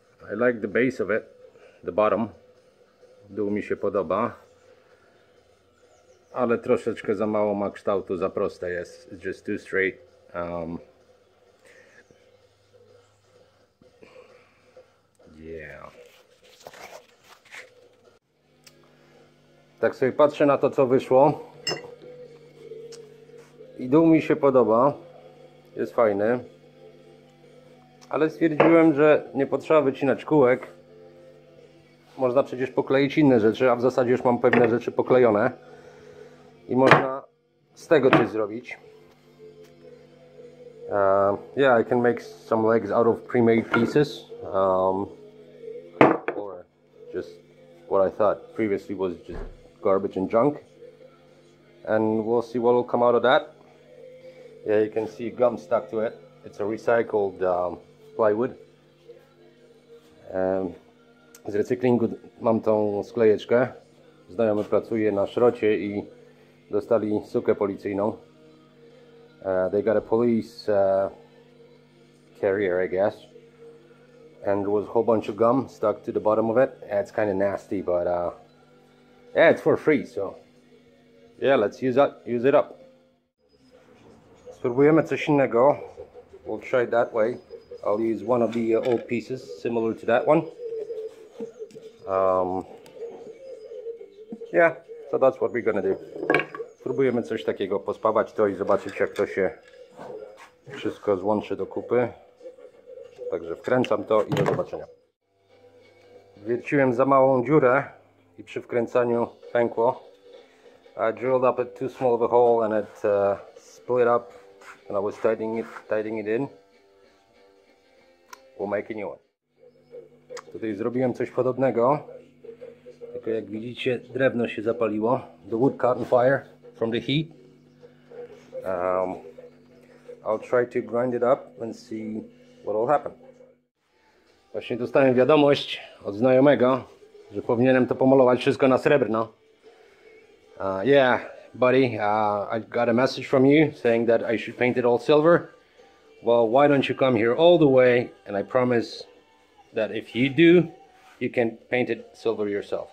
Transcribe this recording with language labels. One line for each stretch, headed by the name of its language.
English: I like the base of it, the bottom.
Polish: Dół mi się podoba. Ale troszeczkę za mało ma kształtu, za proste jest.
English: It's just too straight. Yeah.
Polish: Tak sobie patrzę na to, co wyszło. I dół mi się podoba. Jest fajny. Ale stwierdziłem, że nie potrzeba wycinać kółek. Można przecież pokleić inne rzeczy, a w zasadzie już mam pewne rzeczy poklejone. I można z tego coś zrobić.
English: Yeah, I can make some legs out of pre-made pieces. Or just what I thought previously was just garbage and junk. And we'll see what will come out of that. Yeah, you can see gum stuck to it. It's a recycled plywood.
Polish: Z recyklingu mam tą sklejeczkę. Znajomy pracuje na szrocie i dostali sukę policyjną.
English: They got a police carrier, I guess. And there was a whole bunch of gum stuck to the bottom of it. Yeah, it's kind of nasty, but yeah, it's for free, so yeah, let's use it up.
Polish: Spróbujemy coś innego.
English: We'll try it that way. I'll use one of the old pieces, similar to that one. Yeah, so that's what we're gonna do.
Polish: Spróbujemy coś takiego, pospawać to i zobaczyć, jak to się wszystko złączy do kupy. Także wkręcam to i do zobaczenia. Wierciłem za małą dziurę i przy wkręcaniu pękło.
English: I drilled up a too small of a hole and it split up and I was tightening it in. We'll make a new one.
Polish: Tutaj zrobiłem coś podobnego. Tylko jak widzicie, drewno się zapaliło.
English: The wood caught on fire from the heat. I'll try to grind it up and see what will happen.
Polish: Właśnie dostałem wiadomość od znajomego, że powinienem to pomalować wszystko na srebrno.
English: Yeah, buddy, I got a message from you saying that I should paint it all silver. Well, why don't you come here all the way, and I promise that if you do, you can paint it silver yourself.